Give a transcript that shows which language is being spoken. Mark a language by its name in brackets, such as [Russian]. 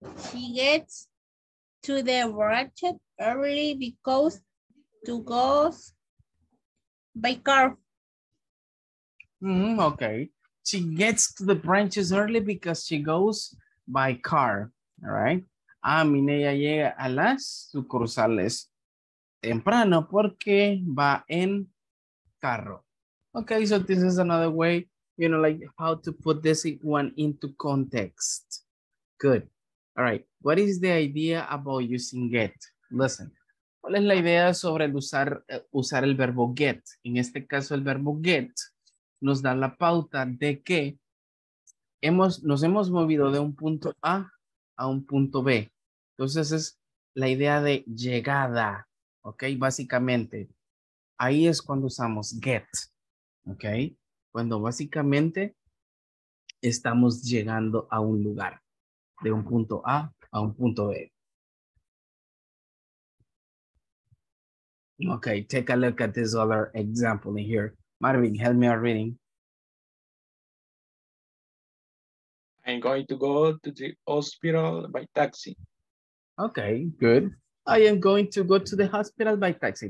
[English] She gets to the ratchet early because to go by car. Mm-hmm, okay. She gets to the branches early because she goes by car. All right. [Spanish] Ah, Mineya llega a las sucursales temprano porque va en carro. [English] Okay, so this is another way, you know, like how to put this one into context. Good. All right. What is the idea about using get? Listen. [Spanish] ¿Cuál es la idea sobre el usar el verbo get? En este caso, el verbo get nos da la pauta de que nos hemos movido de un punto A a un punto B. Entonces es la idea de llegada, ¿ok? Básicamente, ahí es cuando usamos get, ¿ok? Cuando básicamente estamos llegando a un lugar, de un punto A a un punto B. [English] Ok, take a look at this other example in here. Marvin, help me out reading. I'm going to go to the hospital by taxi. Okay, good. I am going to go to the hospital by taxi.